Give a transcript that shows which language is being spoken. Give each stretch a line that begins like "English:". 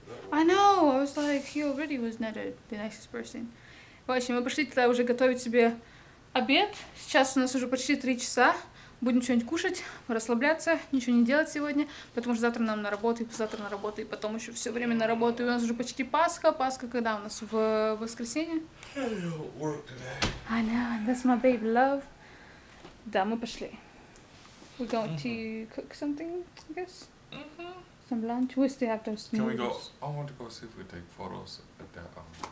English: I know, I was like, he already was not the nicest person.
Russian: В общем, мы пошли тогда уже готовить себе обед. Сейчас у нас уже почти 3 часа. Будем что-нибудь кушать, расслабляться, ничего не делать сегодня, потому что завтра нам на работу, и завтра на работу, и потом еще все время на работу. И у нас уже почти Пасха. Пасха когда у нас? В воскресенье?
English: I know, that's my baby love.
Russian: Да, мы пошли.
English: We going to cook something, I guess. Some lunch. We still have those noodles. Can we go? I want to go see if we take photos at that park.